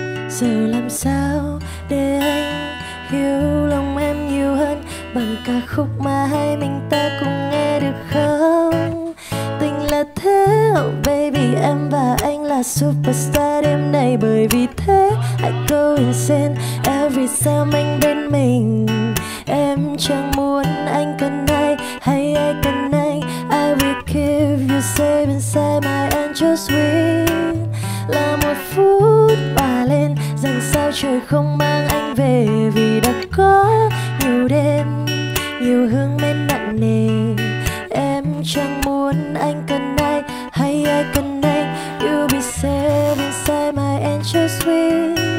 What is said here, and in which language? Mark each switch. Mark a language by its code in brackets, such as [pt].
[vi] Giờ làm sao để anh yêu lòng em nhiều hơn bằng ca khúc mà hai mình ta cùng nghe được không? Tình là thế, [en] oh baby, [vi] em và anh là superstar đêm nay. Bởi vì thế [en] I go insane every time [vi] anh bên mình. Em chẳng muốn anh cần ai hay ai cần anh. [en] I will keep you safe inside my angel's wing. [vi] Là một phút bà lên rằng sao trời không mang anh về. Vì đã có nhiều đêm nhiều hương men nặng nề. Em chẳng muốn anh cần ai hay ai cần anh. [en] You'll be safe inside my angel's wings.